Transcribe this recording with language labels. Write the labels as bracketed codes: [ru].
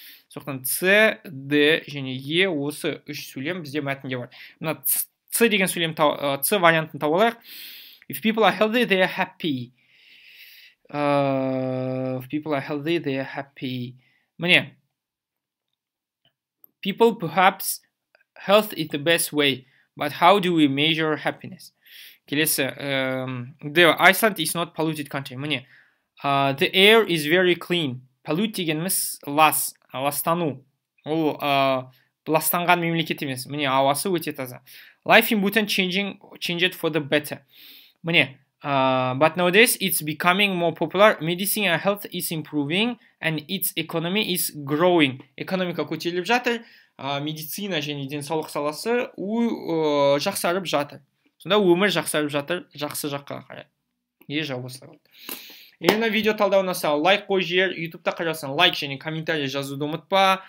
[kk] Соқтан C, D және E осы үш сөйлем бізде мәтінде бар. Мына C деген сөйлем, C вариантын табалайық. [en] If people are healthy, they are happy. If people are healthy, they are happy. [kk] Мне. [en] People, perhaps, health is the best way. But how do we measure happiness? [kk] Келесі. [en] Iceland is not polluted country. [kk] Мне. [en] The air is very clean. [kk] Pollute дегеніміз лас. Ластану. Ол ластанған мемлекет емес. Мне. Ауасы өте таза. [en] Life in Bhutan changed for the better. [kk] Мне. [en] But nowadays, it's becoming more popular. Medicine and health is improving, and its economy is growing. [kk] Экономика көтеріліп жатыр, медицина және денсаулық саласы жақсарып жатыр. Сонда өмір жақсарып жатыр, жақсы жаққа қарай. Еже осылай. Егер видео талдауына сал, лайк қой жер, YouTube-та қарасаң, лайк және комментарий жазуды ұмытпа.